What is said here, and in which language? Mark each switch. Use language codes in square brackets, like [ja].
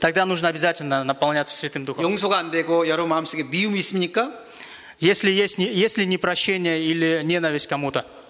[ru] Тогда нужно обязательно наполняться Святым Духом. [ko] 용서가 안 되고 여러분 마음속에 미움이 있습니까? [ru] Если непрощение или ненависть кому-то.